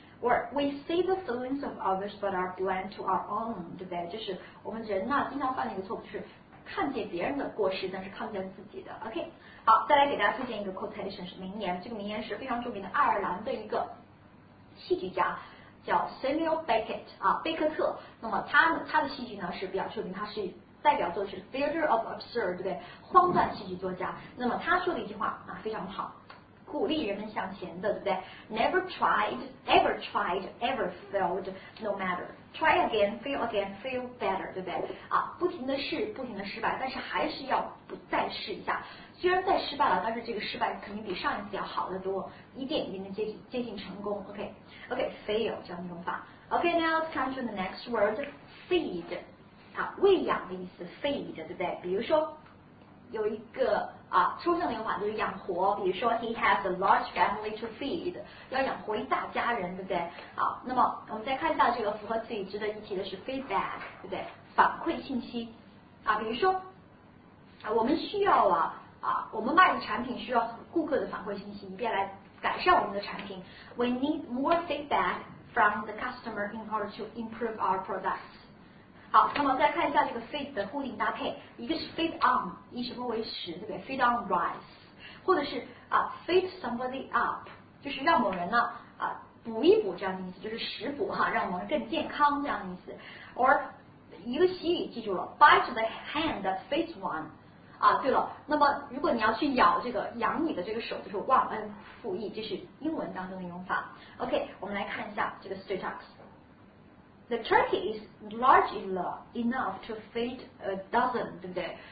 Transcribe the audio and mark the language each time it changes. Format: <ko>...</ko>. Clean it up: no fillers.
<en>Or we see the feelings of others but are blind to our own，</en> <zh>对不对？就是我们人呢经常犯的一个错误，是看见别人的过失，但是看不见自己的。 OK， 好，再来给大家推荐一个 quotation， 是名言。这个名言是非常著名的爱尔兰的一个戏剧家，叫 Samuel Beckett 啊，贝克特。那么他的戏剧呢是比较著名，他是代表作是 Theatre of Absurd， 对不对？荒诞戏剧作家。那么他说的一句话啊非常好。鼓励人们向前的，对不对？</zh> <en>Never tried, ever tried, ever failed, no matter. Try again, fail again, fail better,</en> <zh>对不对？啊，不停的试，不停的失败，但是还是要不再试一下。虽然再失败了，但是这个失败肯定比上一次要好得多，一点一点的接近成功。 OK, fail 这样的用法。</zh> <en>OK, now let's come to the next word, feed.</en> <zh>啊，喂养的意思 ，feed， 对不对？比如说。有一个啊抽象的用法就是养活，比如说</zh> <en>he has a large family to feed，</en> <zh>要养活一大家人，对不对？好，那么我们再看一下这个符合自己值得一提的是 feedback， 对不对？反馈信息啊，比如说啊我们需要啊我们卖的产品需要顾客的反馈信息，以便来改善我们的产品。</zh> <en>We need more feedback from the customer in order to improve our products。</en> <zh>好，那么再看一下这个 feed 的固定搭配，一个是 feed on， 以什么为食，对不对？ feed on rice， 或者是啊 feed somebody up， 就是让某人呢啊补一补这样的意思，就是食补哈，让某人更健康这样的意思。</zh> <en>or</en> <zh>一个习语记住了</zh> <en>，bite the hand that feeds one。</en> <zh>啊，对了，那么如果你要去咬这个养你的这个手，就是忘恩负义，这是英文当中的用法。 OK， 我们来看一下这个 straight talks。</zh> <en>The turkey is large enough to feed a dozen，</en> <zh>对不对？</zh>